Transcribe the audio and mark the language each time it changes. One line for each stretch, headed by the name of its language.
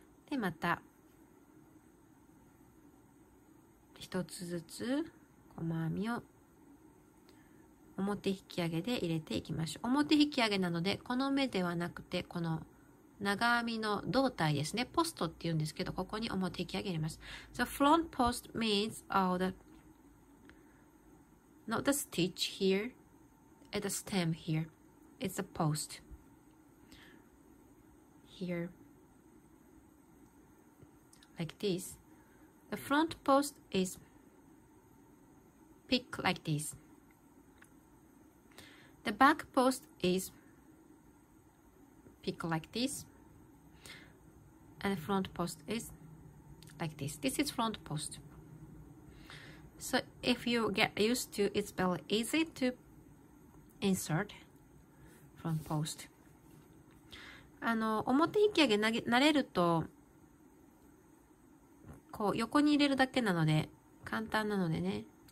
Japanese: でまた一つずつ細編みを表引き上げで入れていきましょう。表引き上げなのでこの目ではなくてこの長編みの胴体ですね、ポストって言うんですけど、ここに表引き上げ入れます。
English: The front post means all the not the stitch hereAt the stem here, it's a post here, like this. The front post is pick like this. The back post is pick like this, and the front post is like this. This is front post. So if you get used to, it's very easy to. Insert front post.
Japanese: 表引き上げ慣れるとこう横に入れるだけなので簡単なのでね。